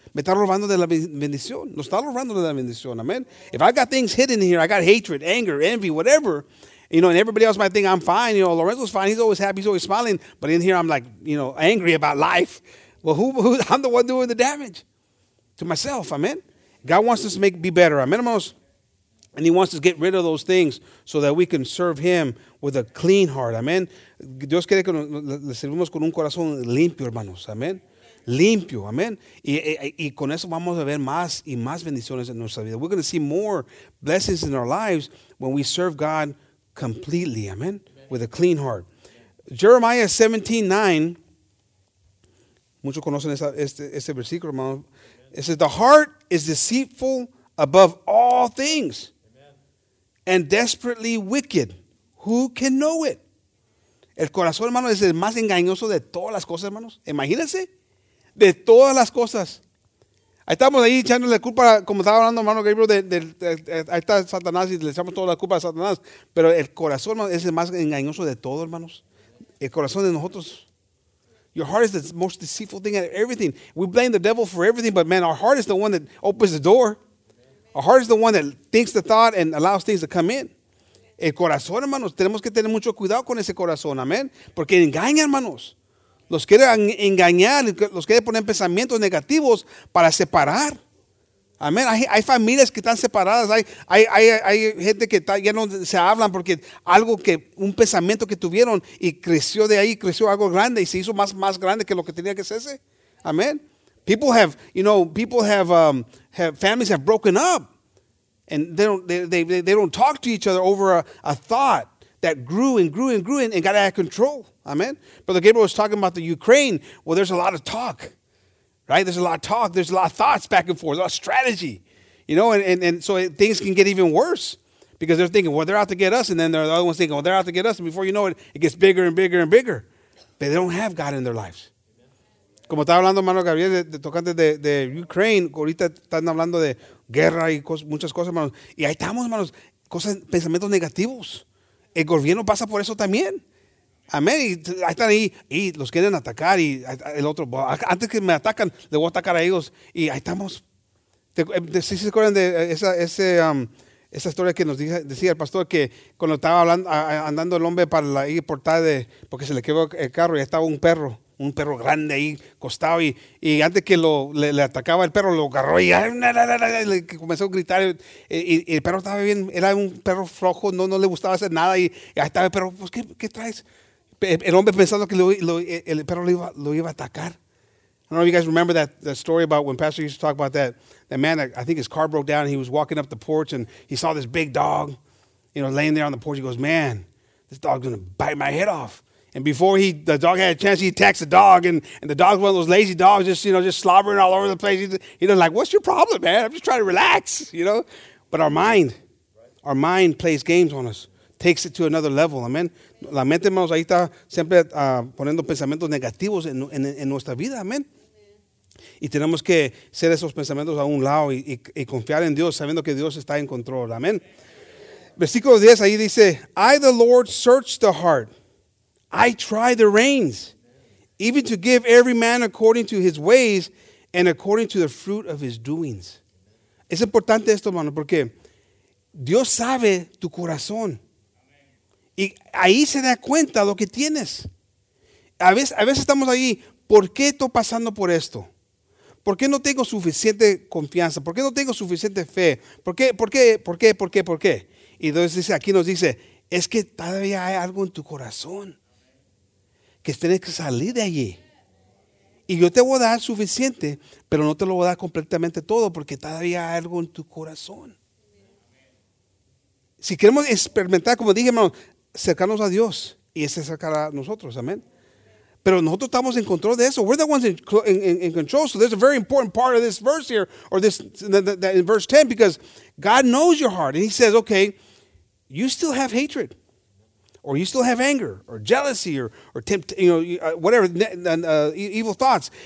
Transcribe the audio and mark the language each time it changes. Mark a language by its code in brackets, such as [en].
[es] Me está robando de la bendición, nos está robando de la bendición, amén. [en] If I got things hidden here, I got hatred, anger, envy, whatever. You know, and everybody else might think I'm fine. You know, Lorenzo's fine. He's always happy. He's always smiling. But in here, I'm like, you know, angry about life. Well, who I'm the one doing the damage to myself. Amen. God wants us to be better. Amen. And he wants us to get rid of those things so that we can serve him with a clean heart. Amen. [es] Dios quiere que le servimos con un corazón limpio, hermanos. Amen. Limpio, amén. Y con eso vamos a ver más y más bendiciones en nuestra vida. [en] We're going to see more blessings in our lives when we serve God completely, amen? Amen, with a clean heart. Amen. Jeremiah 17:9. [es] Muchos conocen este versículo, hermano. Amen. [en] It says, the heart is deceitful above all things, amen, and desperately wicked. Who can know it? [es] El corazón, hermano, es el más engañoso de todas las cosas, hermanos. Imagínense, de todas las cosas. Ahí estamos ahí echándole la culpa, como estaba hablando hermano Gabriel, ahí está Satanás y le echamos toda la culpa a Satanás. Pero el corazón, hermano, es el más engañoso de todo, hermanos. El corazón de nosotros. [en] Your heart is the most deceitful thing out of everything. We blame the devil for everything, but man, our heart is the one that opens the door. Our heart is the one that thinks the thought and allows things to come in. [es] El corazón, hermanos, tenemos que tener mucho cuidado con ese corazón, amén. Porque engaña, hermanos. Los quiere engañar, los quiere poner pensamientos negativos para separar. Amén. Hay familias que están separadas. Hay gente que ya no se hablan porque un pensamiento que tuvieron y creció de ahí, creció algo grande y se hizo más grande que lo que tenía que hacerse. Amén. [en] Families have broken up and they don't talk to each other over a thought that grew and grew and grew and got out of control. Amen. Brother Gabriel was talking about the Ukraine. Well, there's a lot of talk, right? There's a lot of talk. There's a lot of thoughts back and forth, a lot of strategy, you know, and so things can get even worse because they're thinking, well, they're out to get us. And then the other one's thinking, well, they're out to get us. And before you know it, it gets bigger and bigger and bigger. But they don't have God in their lives. [es] Como estaba hablando hermano Gabriel de tocante de Ukraine, ahorita están hablando de guerra y muchas cosas, hermanos. Y ahí estamos, hermanos, pensamientos negativos. El gobierno pasa por eso también. Amén. Y ahí están ahí y los quieren atacar y el otro, antes que me atacan, le voy a atacar a ellos. Y ahí estamos. ¿Sí se acuerdan de esa historia que nos decía el pastor que cuando estaba andando el hombre para la portada porque se le quedó el carro y estaba un perro grande ahí costado y antes que le atacaba el perro, lo agarró y le comenzó a gritar y el perro estaba bien, era un perro flojo, no le gustaba hacer nada y ahí estaba el perro, pues ¿qué traes? El hombre pensando que el perro lo iba a atacar. [en] I don't know if you guys remember that story about when Pastor used to talk about that man, I think his car broke down and he was walking up the porch and he saw this big dog, you know, laying there on the porch. He goes, man, this dog's going to bite my head off. And before the dog had a chance, he attacks the dog. And the dog's one of those lazy dogs, just, you know, just slobbering all over the place. He's like, what's your problem, man? I'm just trying to relax, you know. But our mind plays games on us. Takes it to another level, amen. [es] La mente, hermanos, ahí está siempre poniendo pensamientos negativos en nuestra vida, amen. Y tenemos que hacer esos pensamientos a un lado y confiar en Dios, sabiendo que Dios está en control, amen. Versículo 10, ahí dice, [en] I, the Lord, search the heart. I try the reins. even to give every man according to his ways and according to the fruit of his doings. [es] Es importante esto, hermano, porque Dios sabe tu corazón. Y ahí se da cuenta lo que tienes. A veces estamos ahí, ¿por qué estoy pasando por esto? ¿Por qué no tengo suficiente confianza? ¿Por qué no tengo suficiente fe? ¿Por qué? Y entonces aquí nos dice, es que todavía hay algo en tu corazón que tienes que salir de allí. Y yo te voy a dar suficiente, pero no te lo voy a dar completamente todo porque todavía hay algo en tu corazón. Si queremos experimentar, como dije, hermano, acercarnos a Dios y ese acercará a nosotros, amén. Pero nosotros estamos en control de eso. [en] We're the ones in control. So there's a very important part of this verse here, or this in verse 10, because God knows your heart. And he says, okay, you still have hatred, or you still have anger, or jealousy, evil thoughts.